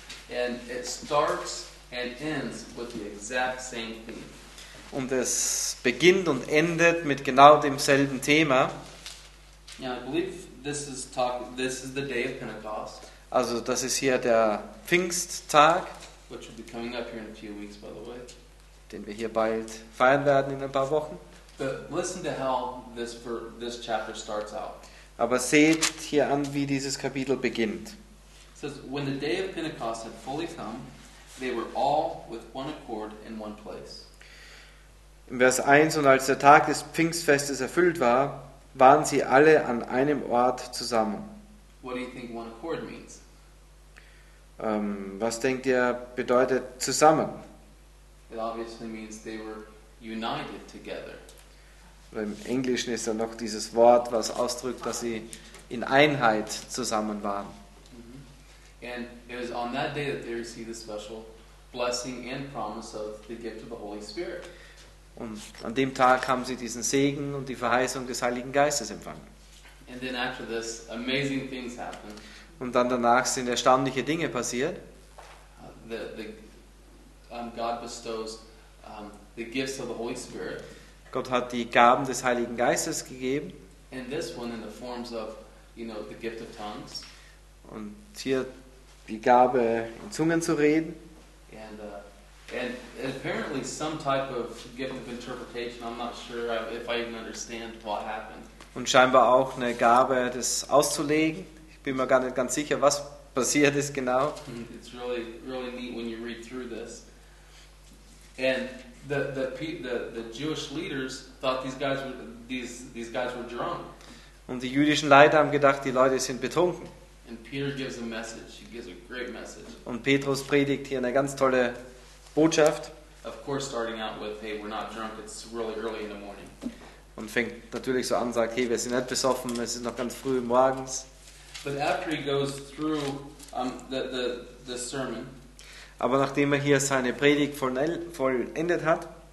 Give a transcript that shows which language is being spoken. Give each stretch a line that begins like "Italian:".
English: And it starts and ends with the exact same theme.
German: Und es beginnt und endet mit genau demselben Thema.
English: Yeah, I believe this is the day of Pentecost.
German: Also das ist hier der Pfingsttag,
English: which will be coming up here in a few weeks, by the way.
German: Den wir hier bald feiern werden in ein paar Wochen.
English: But listen to how this chapter starts out.
German: Aber seht hier an, wie dieses Kapitel beginnt.
English: It says, when the day of Pentecost had fully come, they were all with one accord in one place.
German: In Vers 1, und als der Tag des Pfingstfestes erfüllt war, waren sie alle an einem Ort zusammen.
English: What do you think one accord means?
German: Was denkt ihr, bedeutet zusammen?
English: It obviously means they were united together.
German: Im Englischen ist da noch dieses Wort, was ausdrückt, dass sie in Einheit zusammen waren.
English: And it was on that day that they received the special blessing and promise of the gift of the Holy Spirit.
German: Und an dem Tag haben sie diesen Segen und die Verheißung des Heiligen Geistes empfangen.
English: And then after this, amazing things happen.
German: Und dann danach sind erstaunliche Dinge passiert.
English: God bestows the gifts of the Holy Spirit.
German: Gott hat die Gaben des Heiligen Geistes gegeben.
English: And this one in the forms of, you know, the gift of tongues.
German: Und hier die Gabe, in Zungen zu reden.
English: And apparently some type of gift of interpretation. I'm not sure if I even understand what happened.
German: Und scheinbar auch eine Gabe, das auszulegen. Ich bin mir gar nicht ganz sicher, was passiert ist genau.
English: It's really, really neat when you read through this. And the Jewish leaders thought these guys were drunk.
German: Und die jüdischen Leiter haben gedacht, die Leute sind betrunken.
English: And Peter gives a message. He gives a great message.
German: Und Petrus predigt hier eine ganz tolle Botschaft.
English: Of course, starting out with, hey, we're not drunk. It's really early in the morning.
German: Und fängt natürlich so an, sagt, hey, wir sind nicht besoffen. Es ist noch ganz früh morgens.
English: But after he goes through the sermon.
German: Aber nachdem er hier seine Predigt vollendet hat.